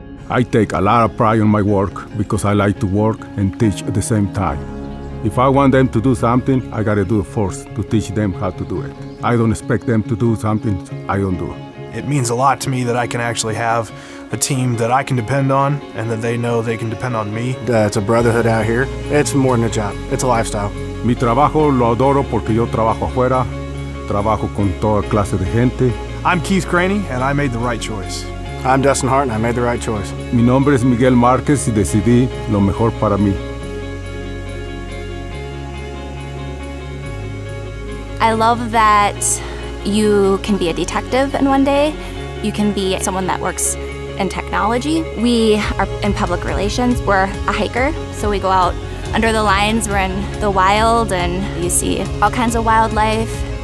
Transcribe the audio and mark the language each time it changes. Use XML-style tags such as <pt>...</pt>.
<en>I take a lot of pride in my work because I like to work and teach at the same time. If I want them to do something, I gotta do it first to teach them how to do it. I don't expect them to do something I don't do. It means a lot to me that I can actually have a team that I can depend on and that they know they can depend on me. It's a brotherhood out here. It's more than a job. It's a lifestyle.</en> <es>Mi trabajo lo adoro porque yo trabajo afuera. Trabajo con toda clase de gente.</es> <en>I'm Keith Craney and I made the right choice. I'm Dustin Hart and I made the right choice.</en> <es>Mi nombre es Miguel Marquez y decidí lo mejor para mí.</es> <en>I love that you can be a detective in one day. You can be someone that works in technology. We are in public relations. We're a hiker, so we go out under the lines. We're in the wild, and you see all kinds of wildlife.</en>